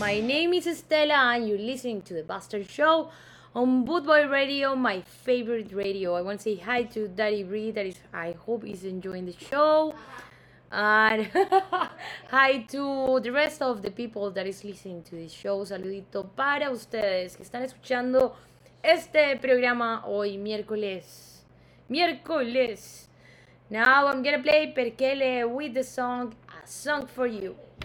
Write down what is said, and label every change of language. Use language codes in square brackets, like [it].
[en] My name is Stella and you're listening to The Bastard Show on Boot Boy Radio, my favorite radio. I want to say hi to Daddy Bree, that is, I hope he's enjoying the show. And hi to the rest of the people that is listening to this show. [es] Saludito para ustedes que están escuchando este programa hoy, miércoles. Miércoles. [en] Now I'm gonna play Perkele with the song, A Song For You.